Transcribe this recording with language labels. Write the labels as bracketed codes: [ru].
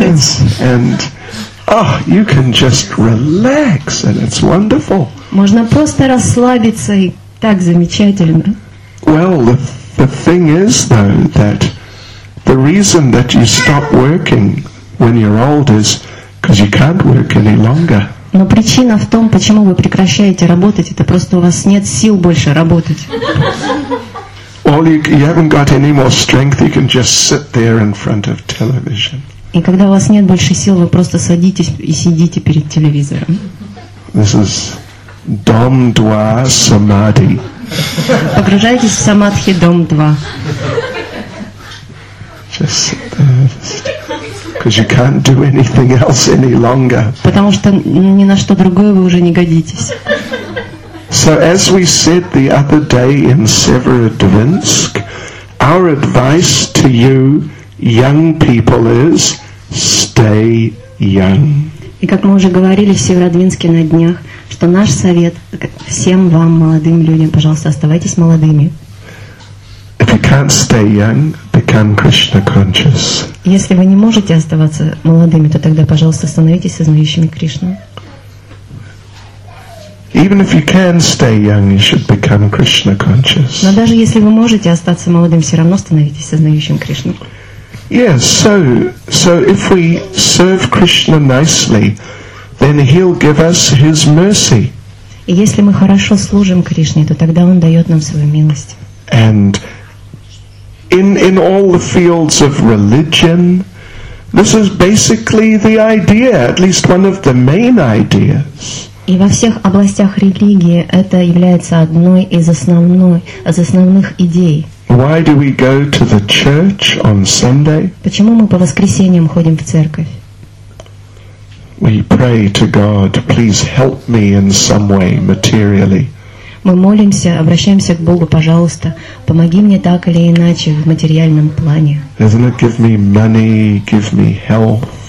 [en] Yes. And oh, you can just relax, and it's wonderful. [ru] Можно просто расслабиться, и так замечательно. [en] Well, the thing is, though, that the reason that you stop working when you're old is because you can't work any longer. [ru] Но причина в том, почему вы прекращаете работать, это просто у вас нет сил больше работать. [en] Or you haven't got any more strength, you can just sit there in front of television. [ru] И когда у вас нет больше сил, вы просто садитесь и сидите перед телевизором. [en] This is Dom Dwa Samadhi. [ru] Погружайтесь в Самадхи Дом 2. [en] Because you can't do anything else any longer. [ru] Потому что ни на что другое вы уже не годитесь. [en] So as we said the other day in Severodvinsk, our advice to you young people is stay young. [ru] И как мы уже говорили в Северодвинске на днях, что наш совет всем вам, молодым людям, пожалуйста, оставайтесь молодыми. [en] If you can't stay young, become Krishna conscious. [ru] Если вы не можете оставаться молодыми, то тогда, пожалуйста, становитесь сознающими Кришну. [en] Even if you can stay young, you should become Krishna conscious. [ru] Но даже если вы можете остаться молодым, все равно становитесь сознающим Кришну. [en] Yes, so if we serve Krishna nicely, then he'll give us his mercy. [ru] И если мы хорошо служим Кришне, то тогда он дает нам свою милость. [en] And in all the fields of religion, this is basically the idea, at least one of the main ideas. [ru] И во всех областях религии это является одной из основных идей. [en] Why do we go to the church on Sunday? [ru] Почему мы по воскресеньям ходим в церковь? [en] We pray to God, please help me in some way materially. [ru] Мы молимся, обращаемся к Богу, пожалуйста, помоги мне так или иначе в материальном плане. [en] Isn't it give me money, give me health?